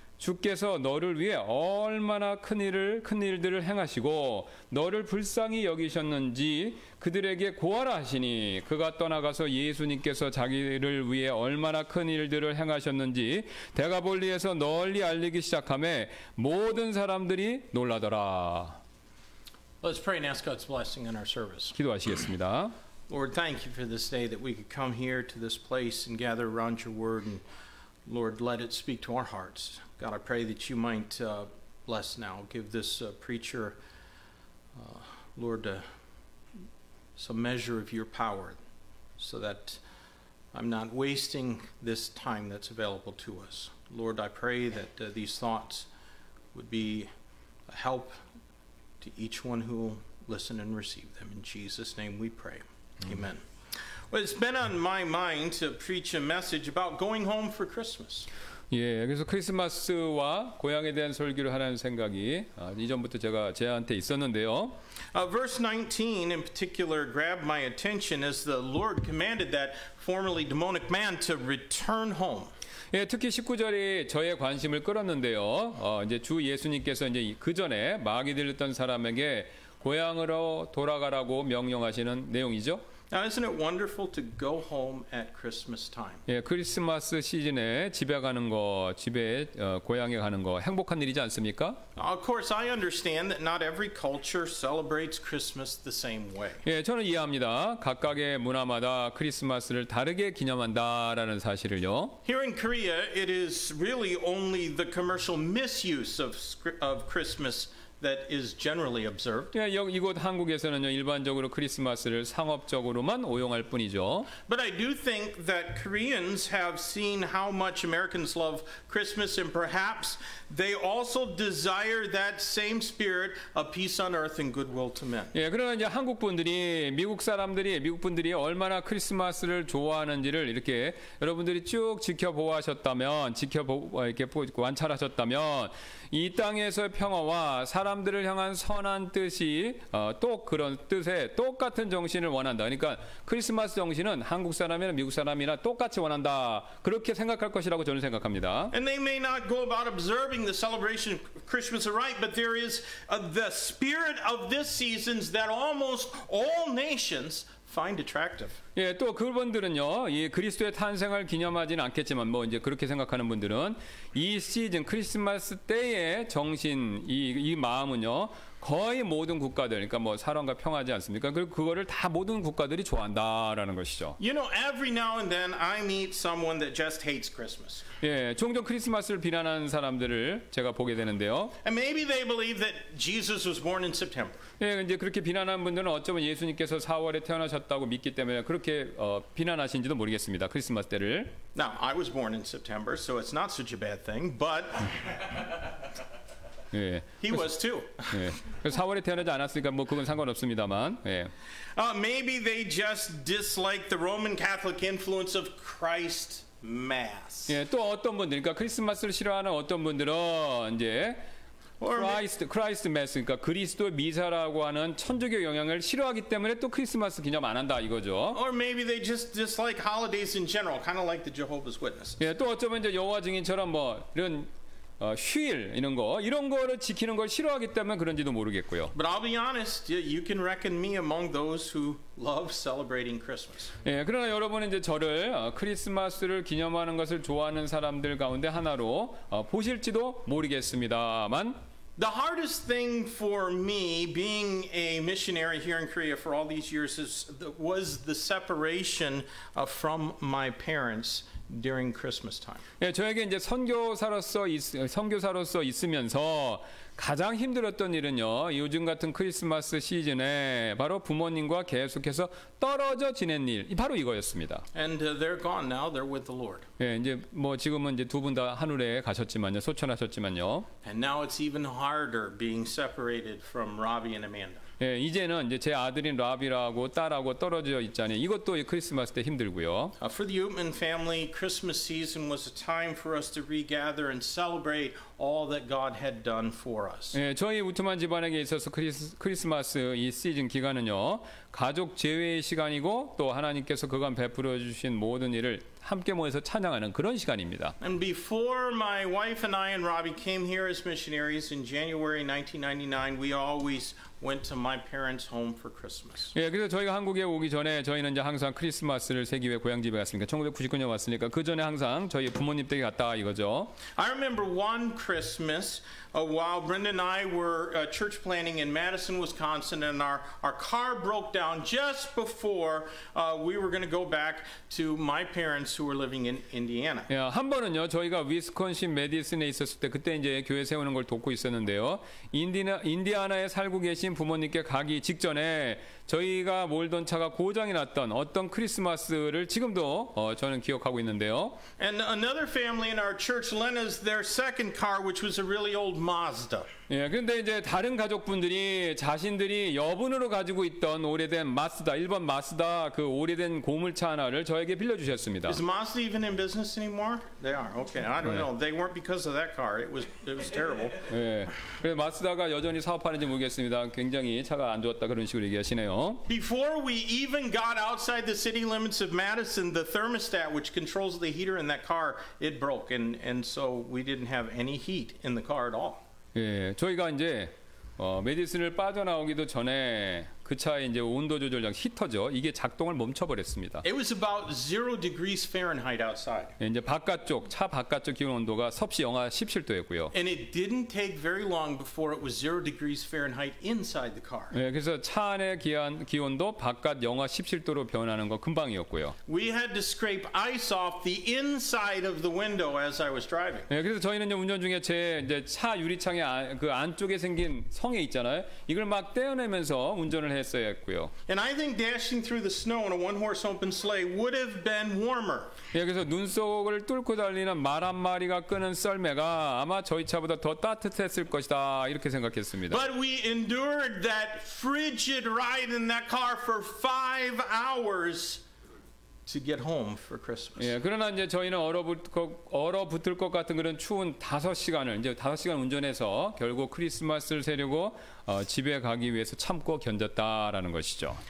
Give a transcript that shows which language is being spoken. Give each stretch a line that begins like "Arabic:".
Korean: 주께서 너를 위해 얼마나 큰 일들을 행하시고 너를 불쌍히 여기셨는지 그들에게 고하라 하시니 그가 떠나가서 예수님께서 자기를 위해 얼마나 큰 일들을 행하셨는지 데가볼리에서 널리 알리기 시작하매 모든 사람들이 놀라더라.
English: Let's pray and ask God's blessing in our service.
Korean: 기도하시겠습니다.
English: Lord, thank you for this day that we could come here to this place and gather around your word. And Lord, let it speak to our hearts. God, I pray that you might bless now. Give this preacher, Lord, some measure of your power so that I'm not wasting this time that's available to us. Lord, I pray that these thoughts would be a help to each one who will listen and receive them. In Jesus' name we pray. Amen. Amen. Well, it's been on my mind to preach a message about going home for Christmas.
Korean: 예, 그래서 크리스마스와 고향에 대한 설교를 하라는 생각이 이전부터 제한테 있었는데요.
English: Verse 19 in particular grabbed my attention as the Lord commanded that formerly demonic man to return home.
Korean: 예, 특히 19절이 저의 관심을 끌었는데요. 이제 주 예수님께서 이제 그 전에 마귀 들렸던 사람에게 고향으로 돌아가라고 명령하시는 내용이죠.
English: Now, isn't it wonderful to go home at Christmas time?
Korean: 예, 크리스마스 시즌에 집에 가는 거, 집에 고향에 가는 거 행복한 일이지 않습니까?
English: Of course, I understand that not every culture celebrates Christmas the same way.
Korean: 예, 저는 이해합니다. 각각의 문화마다 크리스마스를 다르게 기념한다라는 사실을요.
English: Here in Korea, it is really only the commercial misuse of Christmas that is generally observed.
Korean: 예, 이곳 한국에서는요 일반적으로 크리스마스를 상업적으로만 오용할 뿐이죠.
English: But I do think that Koreans have seen how much Americans love Christmas, and perhaps they also desire that same spirit of peace on earth and goodwill to men.
Korean: 예, 그러면 이제 한국 분들이 미국 사람들이 미국 분들이 얼마나 크리스마스를 좋아하는지를 이렇게 여러분들이 쭉 지켜보셨다면 이렇게 관찰하셨다면 이 땅에서의 평화와 사람들을 향한 선한 뜻이 또 그런 뜻에 똑같은 정신을 원한다. 그러니까 크리스마스 정신은 한국 사람이나 미국 사람이나 똑같이 원한다. 그렇게 생각할 것이라고 저는 생각합니다.
English: And they may not go about observing the celebration of Christmas right, but there is the spirit of this season that almost all nations find attractive.
Korean: 예, 또 그분들은요, 이 그리스도의 탄생을 기념하지는 않겠지만, 뭐 이제 그렇게 생각하는 분들은 이 시즌 크리스마스 때의 정신, 이 마음은요, 거의 모든 국가들, 그러니까 뭐 사랑과 평화지 않습니까? 그리고 그거를 다 모든 국가들이 좋아한다라는 것이죠.
English: You know, every now and then I meet someone that just hates Christmas.
Korean: 예, 종종 크리스마스를 비난하는 사람들을 제가 보게 되는데요.
English: And maybe they believe that Jesus was born in September.
Korean: 예, 이제 그렇게 비난하는 분들은 어쩌면 예수님께서 4월에 태어나셨다고 믿기 때문에 그렇게 비난하신지도 모르겠습니다. 크리스마스 때를.
English: Now, I was born in September, so it's not such a bad thing, but He was too.
Korean: 예, 4월에 태어나지 않았으니까 뭐 그건 상관없습니다만. 예.
English: Maybe they just dislike the Roman Catholic influence of Christ Mass.
Korean: 예, 또 어떤 분들, 그러니까 크리스마스를 싫어하는 어떤 분들은 이제 Christ Mass, 그러니까 그리스도 미사라고 하는 천주교 영향을 싫어하기 때문에 또 크리스마스 기념 안 한다 이거죠.
English: Or maybe they just dislike holidays in general, kind of like the Jehovah's Witnesses.
Korean: 예, 또 어쩌면 이제 여호와 증인처럼 뭐 이런 휴일 이런 거 이런 거를 지키는 걸 싫어하기 때문에 그런지도 모르겠고요.
English: But I'll be honest, you can reckon me among those who love celebrating Christmas.
Korean: 예, 그러나 여러분은 이제 저를 크리스마스를 기념하는 것을 좋아하는 사람들 가운데 하나로 보실지도 모르겠습니다만.
English: The hardest thing for me being a missionary here in Korea for all these years was the separation from my parents. During Christmas time.
Korean: 예, 저에게 이제 선교사로서 있으면서 가장 힘들었던 일은요, 요즘 같은 크리스마스 시즌에 바로 부모님과 계속해서 떨어져 지낸 일, 바로 이거였습니다.
English: And they're gone now. They're with the Lord.
Korean: 예, 이제 뭐 지금은 이제 두 분 다 하늘에 가셨지만요, 소천하셨지만요.
English: And now it's even harder being separated from Robbie and Amanda.
Korean: 예, 이제는 이제 제 아들인 라비라고 딸하고 떨어져 있잖아요. 이것도 크리스마스 때 힘들고요.
English: For the Uman family, Christmas season was a time for us to regather and celebrate all that God had done for us.
Korean: 예, 저희 우트만 집안에게 있어서 크리스마스 이 시즌 기간은요, 가족 제외의 시간이고 또 하나님께서 그간 베풀어 주신 모든 일을 함께 모여서 찬양하는 그런 시간입니다.
English: And before my wife and I and Robbie came here as missionaries in January 1999, we always went to my parents' home for Christmas.
Korean: 예, 그래서 저희가 한국에 오기 전에 저희는 이제 항상 크리스마스를 새기 위해 고향 집에 갔으니까 1999년 왔으니까 그 전에 항상 저희 부모님 댁에 갔다 이거죠.
English: I remember one Christmas while Brenda and I were church planning in Madison, Wisconsin, and our car broke down just before we were going to go back to my parents who were living in Indiana.
Korean: 예, 한 번은요 저희가 위스콘신 매디슨에 있었을 때 그때 이제 교회 세우는 걸 돕고 있었는데요. 인디아나에 살고 계신 부모님께 가기 직전에 저희가 몰던 차가 고장이 났던 어떤 크리스마스를 지금도 저는 기억하고 있는데요.
English: And another family in our church lent us their second car, which was a really old Mazda.
Korean: 예, 그런데 이제 다른 가족분들이 자신들이 여분으로 가지고 있던 오래된 마스다, 1번 마스다 그 오래된 고물차 하나를 저에게 빌려주셨습니다.
English: Is Mazda even in business anymore? They are. Okay, I don't know. They weren't because of that car. It was terrible.
Korean: 예, 그래서 마스다가 여전히 사업하는지 모르겠습니다. 굉장히 차가 안 좋았다 그런 식으로 얘기하시네요.
English: Before we even got outside the city limits of Madison, the thermostat which controls the heater in that car it broke, and so we didn't have any heat in the car at all.
Korean: 예, 저희가 이제 메디슨을 빠져나오기도 전에 그 차에 이제 온도 조절장 히터죠. 이게 작동을 멈춰 버렸습니다.
English: It was about 0 degrees Fahrenheit outside.
Korean: 이제 바깥쪽 차 바깥쪽 기온 온도가 섭씨 영하 17도였고요.
English: And it didn't take very long before it was 0 degrees Fahrenheit inside the car.
Korean: 예, 그래서 차 안의 기온도 바깥 영하 17도로 변하는 거 금방이었고요.
English: We had to scrape ice off the inside of the window as I was driving.
Korean: 예, 그래서 저희는 이제 운전 중에 제 이제 차 유리창의 그 안쪽에 생긴 성에 있잖아요. 이걸 막 떼어내면서 운전
English: And I think dashing through the snow in a one-horse open sleigh would have been warmer.
Korean: 예, 그래서 눈 속을 뚫고 달리는 말 한 마리가 끄는 썰매가 아마 저희 차보다 더 따뜻했을 것이다 이렇게 생각했습니다.
English: But we endured that frigid ride in that car for 5 hours. To get home for Christmas.
Korean: 예, 그러나 이제 저희는 얼어붙을 것 같은 그런 추운 5시간을 이제 5시간 운전해서 결국 크리스마스를 새려고 집에 가기 위해서 참고 견뎠다라는 것이죠.